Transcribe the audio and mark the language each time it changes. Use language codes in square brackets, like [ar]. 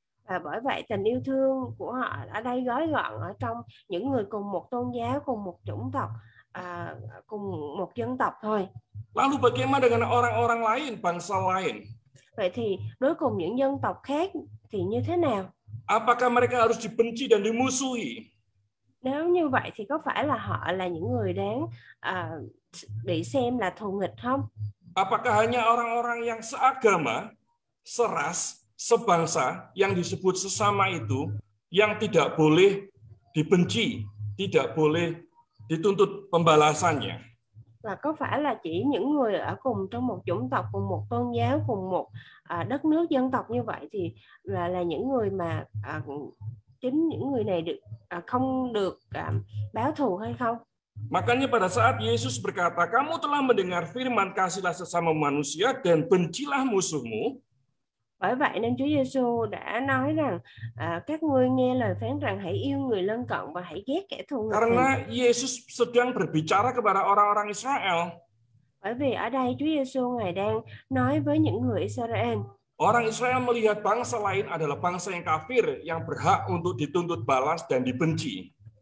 [vi] Và bởi vậy tình yêu thương của họ ở đây gói gọn ở trong những người cùng một tôn giáo, cùng một chủng tộc, cùng một dân tộc thôi. [id] Lalu bagaimana dengan orang-orang lain, bangsa lain? [vi] Vậy thì đối cùng những dân tộc khác thì như thế nào? [id] Apakah mereka harus dibenci dan dimusuhi? [vi] Nếu như vậy thì có phải là họ là những người đáng bị xem là thù nghịch không? [id] Apakah hanya orang-orang yang seagama, seras, sebangsa yang disebut sesama itu yang tidak boleh dibenci, tidak boleh dituntut pembalasannya. [vi] Và có phải là chỉ những người ở cùng trong một chủng tộc, cùng một tôn giáo, cùng một đất nước dân tộc như vậy thì là những người mà chính những người này được không được báo thù hay không? [id] Makanya pada saat Yesus berkata, kamu telah mendengar firman kasihlah sesama manusia dan bencilah musuhmu. [vi] Bởi vậy nên Chúa Giêsu đã nói rằng các ngươi nghe lời phán rằng hãy yêu người lân cận và hãy ghét kẻ thù nghịch. [id] Karena Yesus sedang berbicara kepada orang-orang Israel. [vi] Bởi vì ở đây Chúa Giêsu Ngài đang nói với những người Israel. [id] Orang Israel melihat bangsa lain adalah bangsa yang kafir yang berhak untuk dituntut balas dan dibenci.